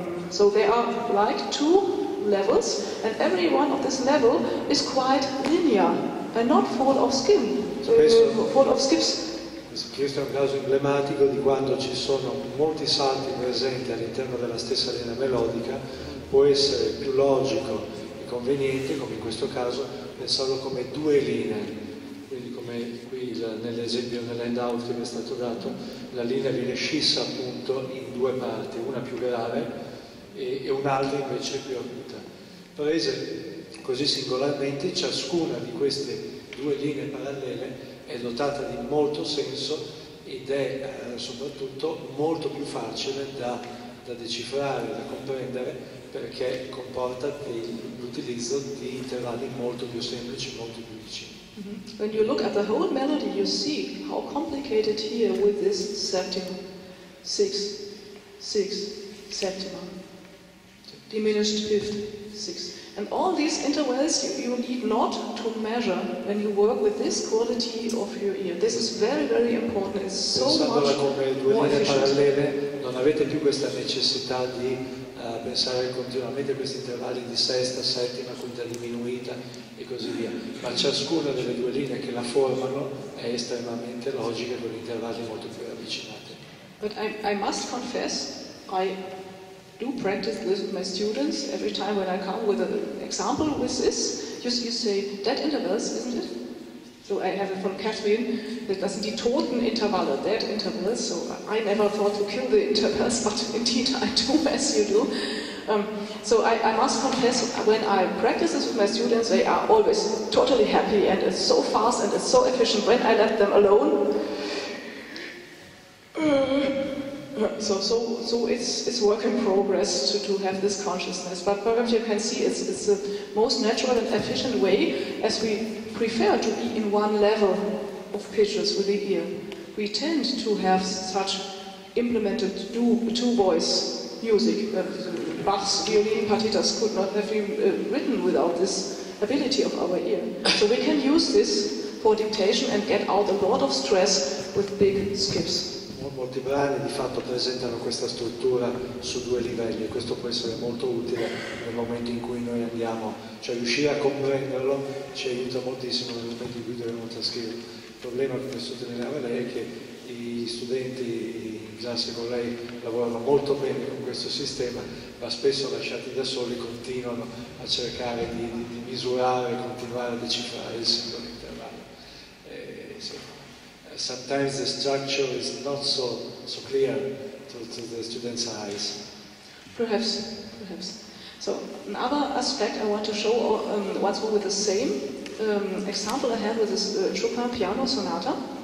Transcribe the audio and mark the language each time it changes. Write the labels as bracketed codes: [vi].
[en] So they are like two levels, and every one of this level is quite linear and not full of skin. Full of skips. [it] Questo è un caso emblematico di quando ci sono molti salti presenti all'interno della stessa linea melodica, può essere più logico e conveniente, come in questo caso, pensarlo come due linee. Quindi come qui il nell'esempio, nell'handout che mi è stato dato, la linea viene scissa appunto in due parti, una più grave e un'altra invece più acuta. Prese così singolarmente, ciascuna di queste due linee parallele è dotata di molto senso ed è soprattutto molto più facile da decifrare, da comprendere, perché comporta l'utilizzo di intervalli molto più semplici, molto più vicini. [en] When you look at the whole melody, you see how complicated here with this septima, six, six, septima, diminished fifth, six. And all these intervals you need not to measure when you work with this quality of your ear. This is very, very important. It's so [it] pensando [en] much [it] come due [en] more [it] linee [en] efficient. [it] Parallele, non avete più questa necessità di pensare continuamente a questi intervalli di sesta, settima, quinta diminuita e così via. Ma ciascuna delle due linee che la formano è estremamente logica con intervalli molto più ravvicinati. [en] But I must confess, I do practice this with my students every time when I come with an example with this. You say dead intervals, isn't it? So I have it from Catherine, that [de] das sind die toten Intervalle, [en] dead intervals. So I never thought to kill the intervals, but indeed I do as you do. So I must confess, when I practice this with my students, they are always totally happy and it's so fast and it's so efficient when I let them alone. So it's work in progress to have this consciousness. But perhaps you can see it's the most natural and efficient way, as we prefer to be in one level of pitches with the ear. We tend to have such implemented two-voice music. Bach's violin partitas could not have been written without this ability of our ear. So we can use this for dictation and get out a lot of stress with big skips. [it] Molti brani di fatto presentano questa struttura su due livelli e questo può essere molto utile nel momento in cui noi andiamo, cioè riuscire a comprenderlo ci aiuta moltissimo nel momento in cui dobbiamo trascrivere. Il problema che posso sottolineare lei è che i studenti, già se con lei, lavorano molto bene con questo sistema, ma spesso lasciati da soli continuano a cercare di misurare e continuare a decifrare il singolo intervallo. [en] Sometimes the structure is not so clear to the students' eyes. Perhaps. So another aspect I want to show once more with the same example I have with this Chopin piano sonata.